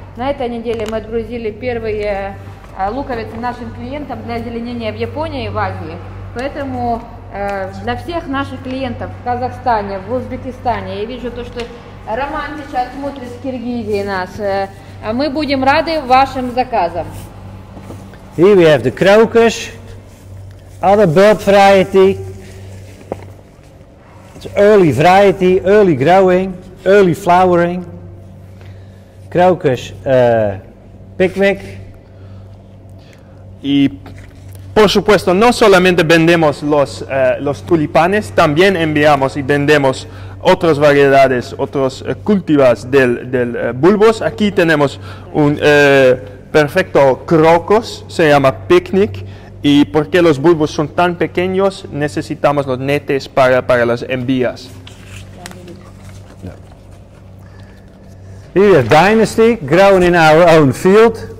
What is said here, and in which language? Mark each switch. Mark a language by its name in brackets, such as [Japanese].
[Russian] На этой неделе мы отгрузили первые луковицы нашим клиентам для озеленения в Японии и в Азии. Поэтому для всех наших клиентов в Казахстане, в Узбекистане, я вижу то, что Роман сейчас смотрит с Киргизии нас, мы будем рады вашим заказам. [English] Here we have the crocus, other bulb variety. It's early variety, early growing, early flowering. Crocus pickwick. [Spanish] Y por supuesto, no solamente vendemos los tulipanes, también enviamos y vendemos otras variedades, otros cultivars del bulbos. Aquí tenemos un perfecto crocus, se llama picnic, y porque los bulbos son tan pequeños, necesitamos los netes para las envías. [English] Here we have Dynasty, grown in our own field.